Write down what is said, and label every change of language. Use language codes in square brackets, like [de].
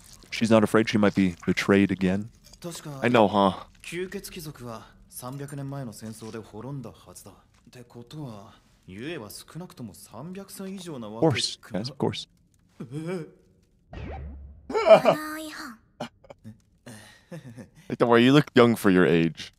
[en] She's not afraid she might be betrayed again. I know, huh? [ja] 吸血鬼族は 300年前の戦争で滅んだはずだ。てことは、ゆえは少なくとも 300歳以上なわけか。 [en] Of course. Hey, don't worry, you look young for your age.